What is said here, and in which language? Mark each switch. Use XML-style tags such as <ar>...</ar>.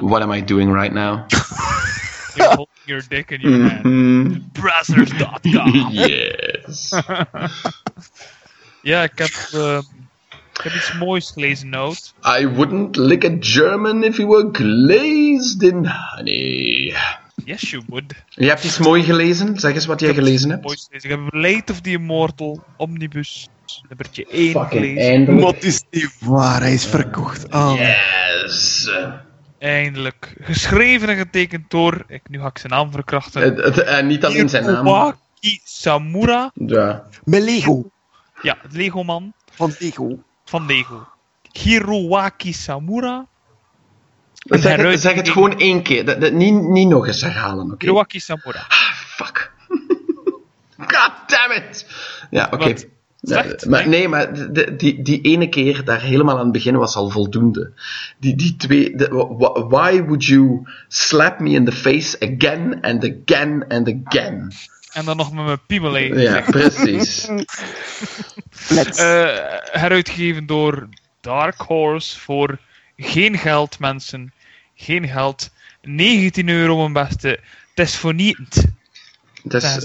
<en>What am I doing right now? You're holding your dick in your hand. Brazzers.com. Yes. Yeah,</en> <nl>ik heb iets moois gelezen, Noot.</nl> <en>I wouldn't lick a German if he were glazed in honey. Yes, you would.</en> <nl>Je hebt iets moois gelezen? Zeg eens wat jij gelezen hebt. Moois gelezen. Ik heb Blade of the Immortal Omnibus. Nummertje 1 gelezen. Wat is die waar? Hij is verkocht. Oh.</nl> <en>Yes.</en> <nl>Eindelijk. Geschreven en getekend door... Nu ga ik zijn naam verkrachten. En niet alleen zijn naam. Iwaki Samura. Ja. Met Lego. Ja, het Lego-man. Van Lego. Hiroaki Samura. Zeg het gewoon 1 keer. Niet nog eens herhalen, oké? Hiroaki Samura.</nl> <en>Ah, fuck. God damn it.</en> <nl>Ja, oké.</nl> <en>Okay.</en> <nl>Maar die ene keer daar helemaal aan het begin was al voldoende.</nl> <en>Why would you slap me in the face again and again and again?</en> <nl>En dan nog met mijn piemelee. Ja, precies. Heruitgegeven door Dark Horse voor geen geld, mensen. Geen geld. €19, mijn beste. Het is voor niet. Dat is</nl>